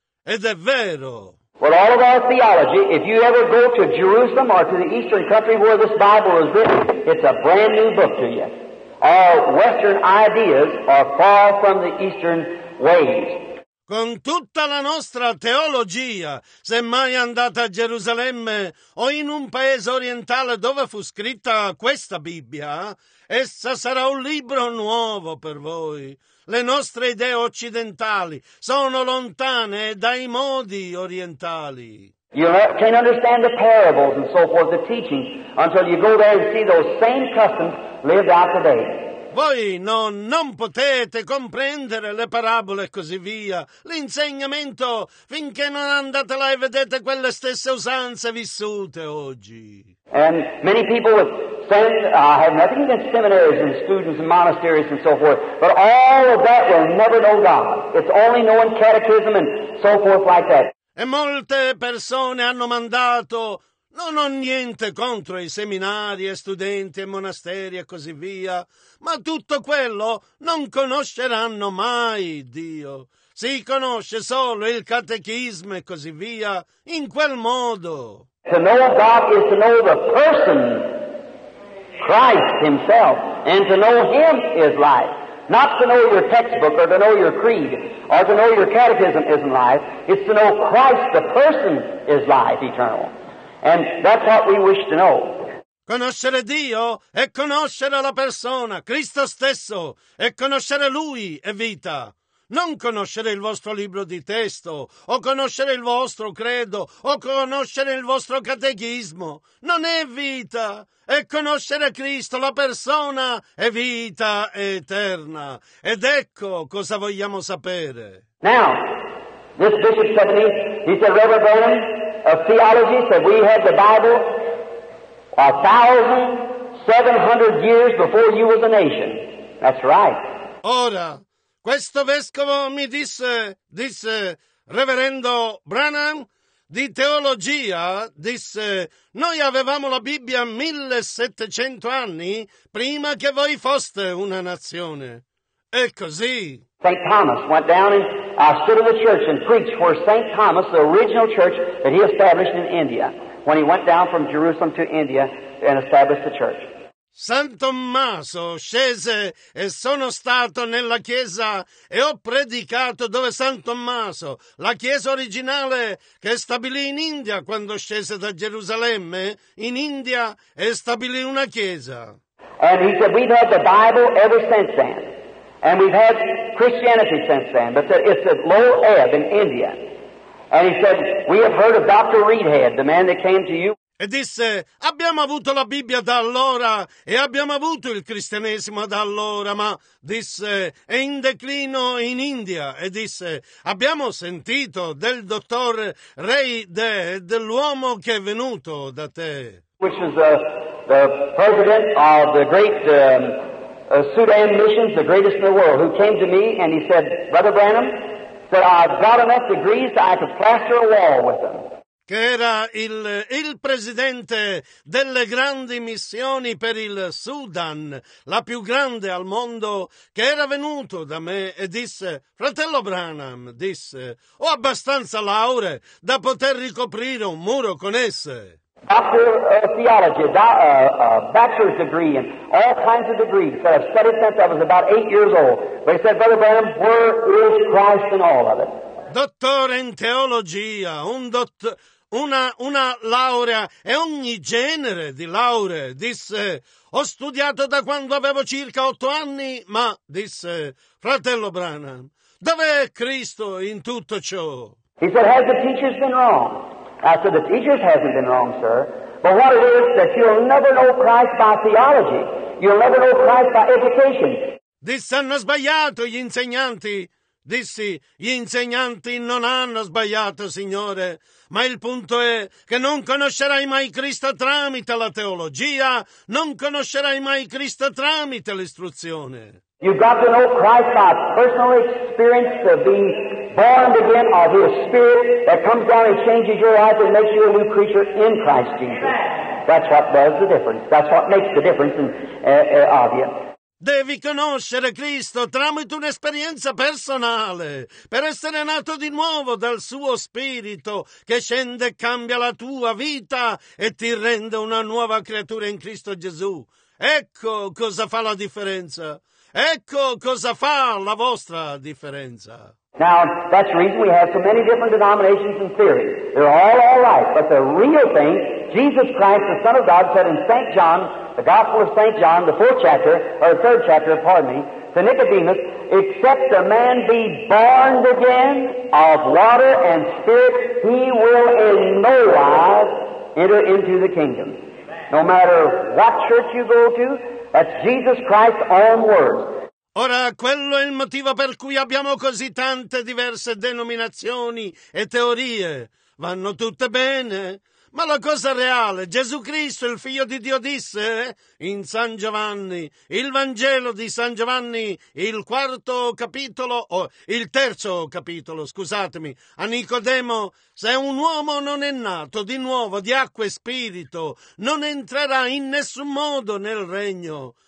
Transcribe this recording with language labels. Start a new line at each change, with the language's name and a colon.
Italian: Ed è vero.
English: With all of our theology, if you ever go to Jerusalem or to the Eastern country where this Bible is written, it's a brand new book to you. Our Western ideas are far from the Eastern ways.
Italian: Con tutta la nostra teologia, se mai andate a Gerusalemme o in un paese orientale dove fu scritta questa Bibbia, essa sarà un libro nuovo per voi. Le nostre idee occidentali sono lontane dai modi orientali.
English: You can't understand the parables and so forth, the teachings, until you go there and see those same customs lived out today.
Italian: Voi non potete comprendere le parabole e così via. L'insegnamento, finché non andate là e vedete quelle stesse usanze vissute oggi.
English: And many people said, I have nothing against seminaries and students and monasteries and so forth, but all of that will never know God. It's only knowing catechism and so forth like that.
Italian: E molte persone hanno mandato, non ho niente contro i seminari e studenti e monasteri e così via, ma tutto quello non conosceranno mai Dio. Si conosce solo il catechismo e così via, in quel modo.
English: To know God is to know the person, Christ himself, and to know him is life. Not to know your textbook, or to know your creed, or to know your catechism isn't life. It's to know Christ, the person, is life eternal. And that's what we wish to know.
Italian: Conoscere Dio è conoscere la persona, Cristo stesso, e conoscere Lui è vita. Non conoscere il vostro libro di testo, o conoscere il vostro credo, o conoscere il vostro catechismo, non è vita. E conoscere Cristo, la persona, è vita eterna. Ed ecco cosa vogliamo sapere.
English: Now, this bishop said to me, he said, Reverend Branham of theology said, we had the Bible 1,700 years before you was a nation. That's right.
Italian: Ora, questo vescovo mi disse Reverendo Branham, di teologia, disse, noi avevamo la Bibbia 1,700 anni prima che voi foste una nazione. E così.
English: St. Thomas went down and stood in the church and preached for St. Thomas, the original church that he established in India, when he went down from Jerusalem to India and established the church.
Italian: San Tommaso scese e sono stato nella chiesa e ho predicato dove San Tommaso, la chiesa originale che stabilì in India quando scese da Gerusalemme, in India e stabilì una chiesa.
English: And he said, we've had the Bible ever since then. And we've had Christianity since then. But it's a low ebb in India. And he said, we have heard of Dr. Reedhead, the man that came to you.
Italian: E disse, abbiamo avuto la Bibbia da allora e abbiamo avuto il cristianesimo da allora, ma, disse, è in declino in India. E disse, abbiamo sentito del dottor Reedhead, l'uomo che è venuto da te.
English: Which is the president of the great Sudan missions, the greatest in the world, who came to me and he said, Brother Branham, that I've got enough degrees that I could plaster a wall with them.
Italian: Che era il presidente delle grandi missioni per il Sudan, la più grande al mondo, che era venuto da me e disse, fratello Branham, disse, ho abbastanza lauree da poter ricoprire un muro con esse.
English: Doctor of theology, bachelor's degree, and all kinds of degrees that I've studied since I was about 8 years old. But he said, brother Branham, where is Christ in all of it?
Italian: Dottore in teologia, una laurea e ogni genere di lauree, disse, ho studiato da quando avevo circa 8 anni, ma, disse, fratello Branham, dov'è Cristo in tutto ciò?
English: He said, has the teachers been wrong? I said, the teachers hasn't been wrong, sir, but what it is that you'll never know Christ by theology, you'll never know Christ by education.
Italian: Disse, hanno sbagliato gli insegnanti. Dissi, gli insegnanti non hanno sbagliato, Signore, ma il punto è che non conoscerai mai Cristo tramite la teologia, non conoscerai mai Cristo tramite l'istruzione.
English: You've got to know Christ by personal experience of being born again of His Spirit that comes down and changes your life and makes you a new creature in Christ Jesus. That's what does the difference. That's what makes the difference in obvious.
Italian: Devi conoscere Cristo tramite un'esperienza personale, per essere nato di nuovo dal suo spirito che scende e cambia la tua vita e ti rende una nuova creatura in Cristo Gesù. Ecco cosa fa la differenza. Ecco cosa fa la vostra differenza.
English: Now, that's the reason we have so many different denominations and theories. They're all right, but the real thing, Jesus Christ, the Son of God, said in St. John, the Gospel of St. John, the fourth chapter, or the third chapter, pardon me, to Nicodemus, except a man be born again of water and spirit, he will in no wise enter into the kingdom. No matter what church you go to, That's Jesus Christ's own words.
Italian: Ora, quello è il motivo per cui abbiamo così tante diverse denominazioni e teorie. Vanno tutte bene. Ma la cosa reale, Gesù Cristo, il Figlio di Dio, disse in San Giovanni, il Vangelo di San Giovanni, il quarto capitolo, o il terzo capitolo, scusatemi, a Nicodemo, se un uomo non è nato di nuovo di acqua e spirito, non entrerà in nessun modo nel regno.